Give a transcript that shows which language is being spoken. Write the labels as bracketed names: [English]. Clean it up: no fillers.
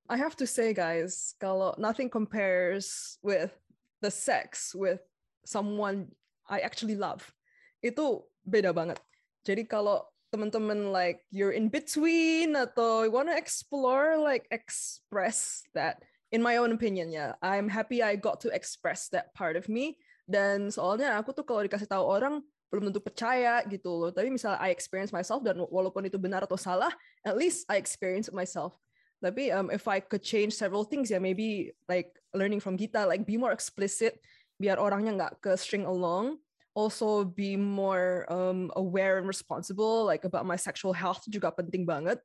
[English] I have to say, guys, kalau nothing compares with the sex with someone I actually love. [Indonesian] Itu beda banget. Jadi kalau teman-teman [English] like you're in between atau you want to explore, like express that. In my own opinion, yeah, I'm happy I got to express that part of me. [Indonesian] Dan soalnya aku tuh kalau dikasih tahu orang belum tentu percaya gitu loh. Tapi misalnya [English] I experience myself [Indonesian] dan walaupun itu benar atau salah, [English] at least I experience myself. Tapi if I could change several things, yeah, maybe like learning from Gita, like be more explicit [Indonesian] biar orangnya nggak ke [English] string along. Also be more aware and responsible like about my sexual health [Indonesian] juga penting banget.